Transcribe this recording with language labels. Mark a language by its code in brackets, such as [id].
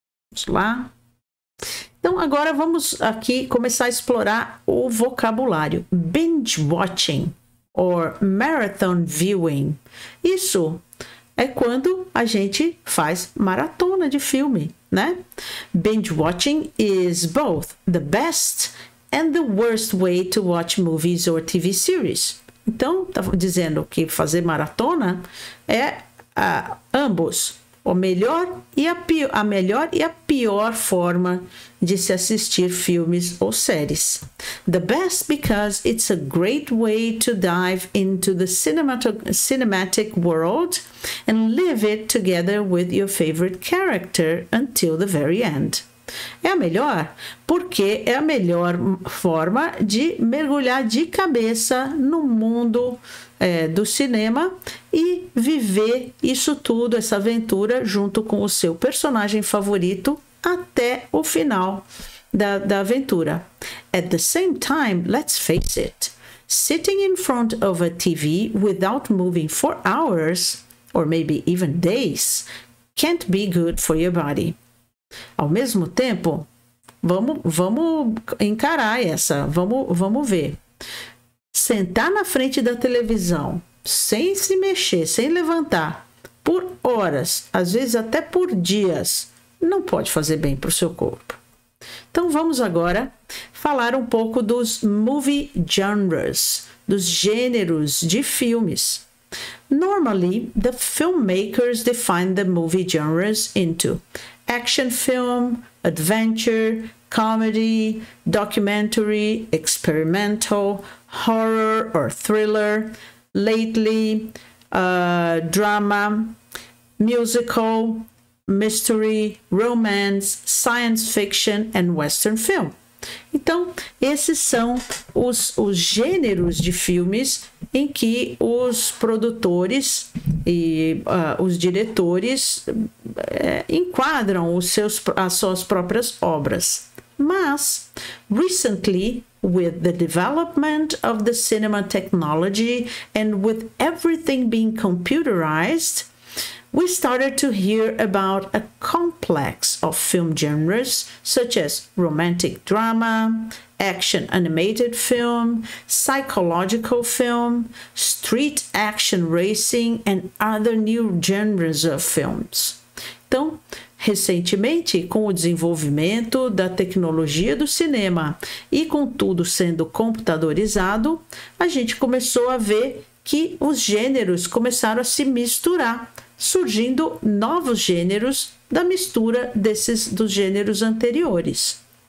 [pt] Vamos lá. Então, agora vamos aqui começar a explorar o vocabulário. [en] Binge watching or marathon viewing. [pt] Isso é quando a gente faz maratona de filme, né? [en] Binge watching is both the best and the worst way to watch movies or TV series. [pt] Então, tá dizendo que fazer maratona é ambos, a melhor e a pior forma de se assistir filmes ou séries. [en] The best because it's a great way to dive into the cinematic world and live it together with your favorite character until the very end. [pt] É a melhor porque é a melhor forma de mergulhar de cabeça no mundo do cinema e viver isso tudo, essa aventura, junto com o seu personagem favorito até o final da aventura. [en] At the same time, let's face it, sitting in front of a TV without moving for hours, or maybe even days, can't be good for your body. [pt] Ao mesmo tempo, vamos encarar essa, vamos ver. Sentar na frente da televisão sem se mexer, sem levantar, por horas, às vezes até por dias, não pode fazer bem para o seu corpo. Então vamos agora falar um pouco dos movie genres, dos gêneros de filmes. [en] Normally, the filmmakers define the movie genres into action film, adventure, comedy, documentary, experimental, horror or thriller, lately, drama, musical, mystery, romance, science fiction and western film. [pt] Então, esses são os gêneros de filmes em que os produtores e os diretores enquadram as suas próprias obras. [en] Mas, recently, with the development of the cinema technology and with everything being computerized, we started to hear about a complex of film genres such as romantic drama, action animated film, psychological film, street action racing, and other new genres of films. [pt] Então, recentemente, com o desenvolvimento da tecnologia do cinema e com tudo sendo computadorizado, a gente começou a ver que os gêneros começaram a se misturar, surgindo novos gêneros da mistura desses dos gêneros anteriores.